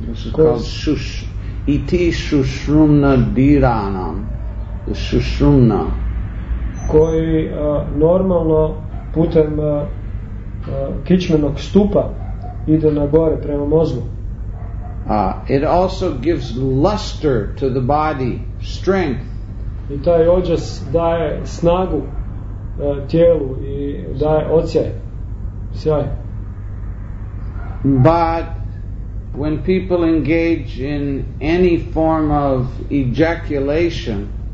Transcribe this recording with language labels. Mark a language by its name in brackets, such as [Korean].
[English] This is called iti sushrumna dhiranam, the sushrumna, [Croatian] koji normalno putem kičmenog stupa ide na gore prema mozgu. [English] It also gives luster to the body, strength. [Croatian] I taj ođas daje snagu tijelu i daje ocijaj, sjaj. [English] But when people engage in any form of ejaculation,